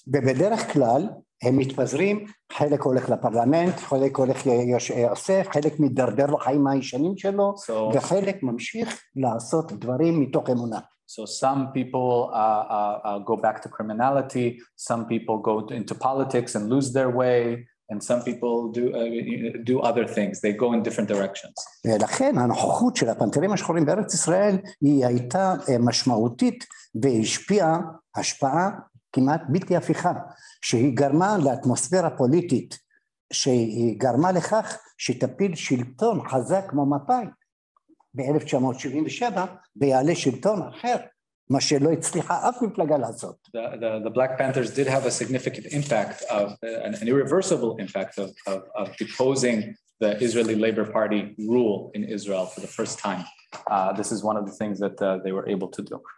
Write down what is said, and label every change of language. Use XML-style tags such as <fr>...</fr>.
<he>ובדרך כלל הם מתפזרים, חלק הולך לפרלמנט, חלק הולך ליושב, חלק מדרדר לחיים הישנים שלו, וחלק ממשיך לעשות דברים מתוך אמונה.</he> <en>So some people go back to criminality, some people go into politics and lose their way, and some people do other things, they go in different directions.</en> <he>ולכן הנוכחות של הפנתרים השחורים בארץ ישראל היא הייתה משמעותית והשפיעה השפעה כמעט בלתי הפיכה, שהיא גרמה לאטמוספירה פוליטית, שהיא גרמה לכך שתפיל שלטון חזק כמו מפאי ב-1977, ויעלה שלטון אחר, מה שלא הצליחה אף מפלגה לעשות.</he> <en>The Black Panthers did have a significant impact of, an irreversible impact of deposing the Israeli Labor Party rule in Israel for the first time. This is one of the things that they were able to do.</en>